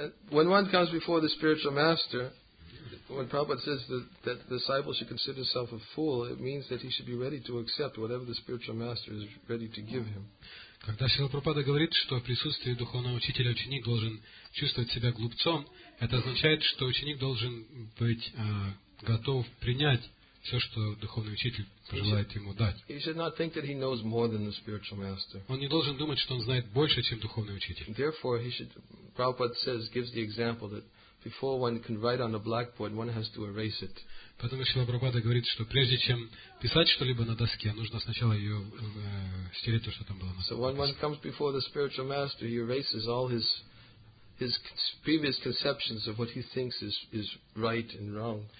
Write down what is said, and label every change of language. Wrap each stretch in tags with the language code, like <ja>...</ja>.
<en>When one comes before the spiritual master, when Prabhupada says that the disciple should consider himself a fool, it means that he should be ready to accept whatever the spiritual master is ready to give him.</en> <ru>Когда Шрила Прабхупада говорит, что в присутствии духовного учителя ученик должен чувствовать себя глупцом, это означает, что ученик должен быть готов принять все, что духовный учитель пожелает ему дать. Он не должен думать, что он знает больше, чем духовный учитель.</ru> <en>Therefore, he should, Prabhupada says, gives the example that before one can write on a blackboard, one has to erase it.</en> <ru>Потому что Прабхупада говорит, что прежде чем писать что-либо на доске, нужно сначала ее стереть, то, что там было.</ru> <en>So when one comes before the spiritual master, he erases all his previous conceptions of what he thinks is right and wrong.</en>